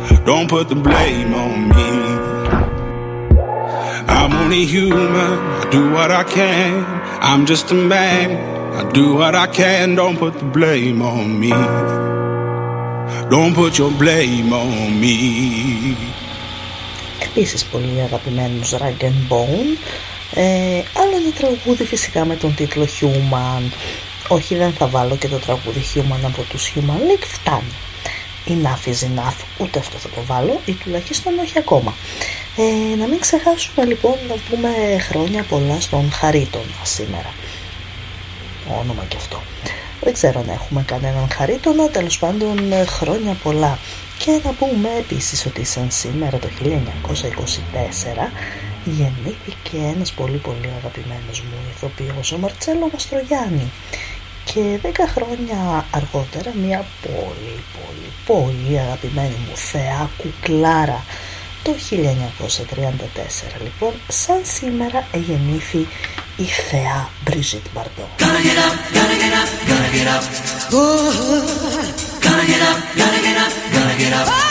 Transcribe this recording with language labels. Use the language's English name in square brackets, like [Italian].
[English] Don't put the blame on me. I'm only human, I do what I can. I'm just a man, I do what I can. Don't put the blame on me. Don't put your blame on me. [Greek] Επίσης πολύ αγαπημένος Rag and Bone. Άλλο ένα τραγούδι φυσικά με τον τίτλο Human. Όχι, δεν θα βάλω και το τραγούδι Human από τους Human League, φτάνει. [English] Enough is enough, [Greek] ούτε αυτό θα το βάλω, ή τουλάχιστον όχι ακόμα. Να μην ξεχάσουμε λοιπόν να πούμε χρόνια πολλά στον Χαρίτονα σήμερα. Όνομα και αυτό. Δεν ξέρω αν έχουμε κανέναν Χαρίτονα, τέλος πάντων χρόνια πολλά. Και να πούμε επίσης ότι σαν σήμερα το 1924 γεννήθηκε ένας πολύ πολύ αγαπημένος μου ηθοποιός, ο Μαρτσέλο Μαστρογιάννη. Και 10 χρόνια αργότερα μια πολύ πολύ πολύ αγαπημένη μου θεά κουκλάρα. Το 1934 λοιπόν, σαν σήμερα γεννήθη η θεά Μπριζίτ Μπαρντό. [English] Gotta get up, gotta get up, gotta get up. Gotta get up, gotta get up, gotta get up.